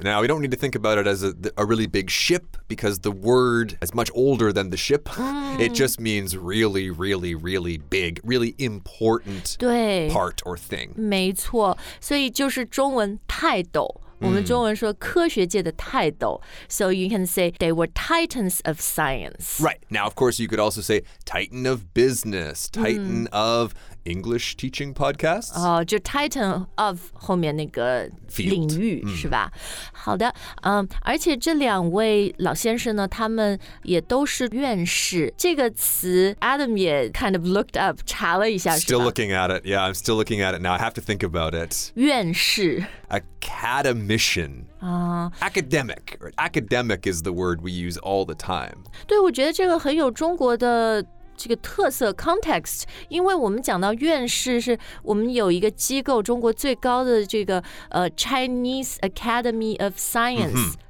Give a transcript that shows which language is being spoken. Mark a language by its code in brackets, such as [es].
[en] Now, we don't need to think about it as a really big ship because the word is much older than the ship. It just means really, really, really big, really important part or thing. [zh] 没错，所以就是中文泰斗。我们中文说科学界的泰斗。 [en] So you can say they were titans of science. Right. Now, of course, you could also say titan of business, titan of English teaching podcasts. [zh] 哦，就 titan of 后面那个领域、 [en] Field. [zh] 是吧？好的，而且这两位老先生呢，他们也都是院士。这个词 Adam 也 [en] kind of looked up [zh] 查了一下。 [en] Still looking at it. Yeah, I'm still looking at it now. I have to think about it. [zh] 院士。 [en] Academician. Academic. Academic is the word we use all the time. [zh] 对，我觉得这个很有中国的这个特色 context， 因为我们讲到院士，是我们有一个机构，中国最高的这个 [en] Chinese Academy of Science、 [zh] mm-hmm.